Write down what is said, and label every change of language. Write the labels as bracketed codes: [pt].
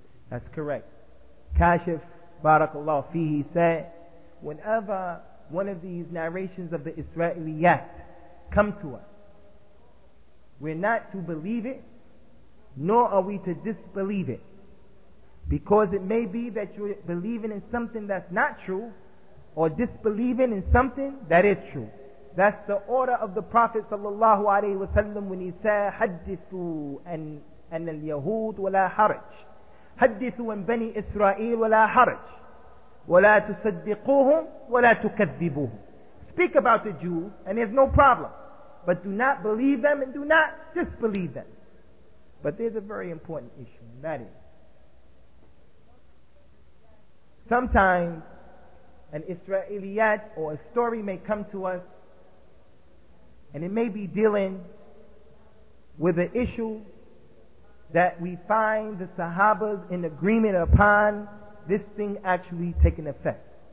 [en] That's correct. Kashif, barakallahu fihi, said, whenever one of these narrations of the Israeliyat come to us, we're not to believe it, nor are we to disbelieve it. Because it may be that you're believing in something that's not true, or disbelieving in something that is true. That's the order of the Prophet sallallahu alayhi wa sallam when he said, [ar] حَدِّثُوا أَنَّ الْيَهُودُ وَلَا حَرَجْ حَدِّثُوا أَنْ بَنِي إِسْرَائِيلُ وَلَا حَرَجْ وَلَا تُصَدِّقُوهُمْ وَلَا تُكَذِّبُوهُمْ. [en] Speak about the Jews and there's no problem, but do not believe them and do not disbelieve them. But there's a very important issue, and that is sometimes an Israeliyat or a story may come to us and it may be dealing with an issue that we find the Sahabas in agreement upon this thing actually taking effect.